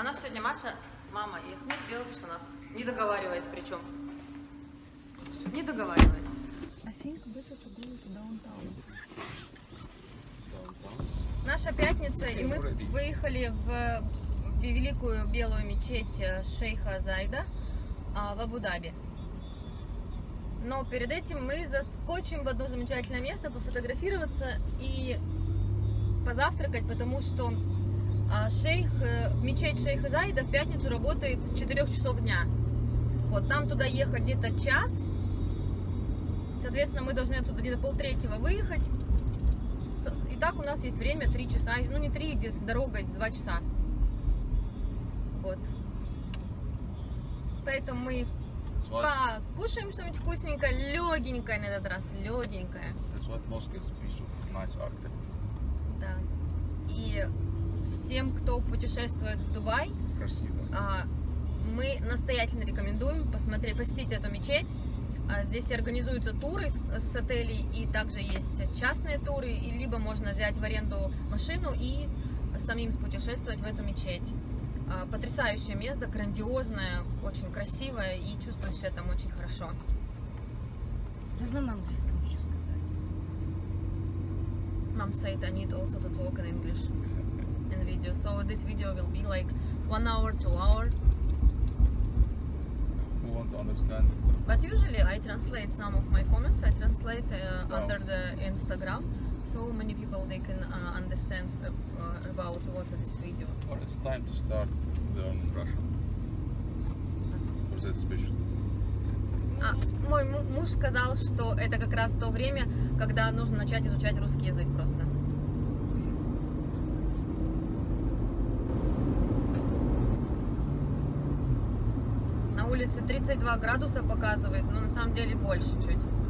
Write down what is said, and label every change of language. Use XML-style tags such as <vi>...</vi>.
<ru>Она сегодня Маша, мама и Ахмед в белых штанах. Не договариваясь причем. Не договариваясь.</ru> <en>I think we have to go to downtown.</en> <ru>Наша пятница, и мы выехали в великую белую мечеть шейха Зайда в Абу-Даби. Но перед этим мы заскочим в одно замечательное место пофотографироваться и позавтракать, потому что мечеть шейха Зайда в пятницу работает с 4 часов дня. Вот, нам туда ехать где-то час. Соответственно, мы должны отсюда где-то 2:30 выехать. И так у нас есть время 3 часа, ну не 3, где с дорогой 2 часа. Вот. Поэтому мы покушаем что-нибудь вкусненькое, легенькое на этот раз, легенькое.</ru> <en>That's what mosque is, piece of nice architect.</en> <ru>Да. И всем, кто путешествует в Дубай, красиво. Мы настоятельно рекомендуем посетить эту мечеть. Здесь организуются туры с отелей, и также есть частные туры, и либо можно взять в аренду машину и самим спутешествовать в эту мечеть. Потрясающее место, грандиозное, очень красивое, и чувствуешь себя там очень хорошо. Должна на английском еще сказать.</ru> <en>Mom said I need also to talk in English in video. So this video will be like 1 hour, 2 hour. Who want to understand? But usually I translate some of my comments, I translate under the Instagram, so many people they can understand about what this video. Or it's time to start learning Russian, for that special.</en> <ru>Мой муж сказал, что это как раз то время, когда нужно начать изучать русский язык просто. На улице 32 градуса показывает, но на самом деле больше чуть.</ru>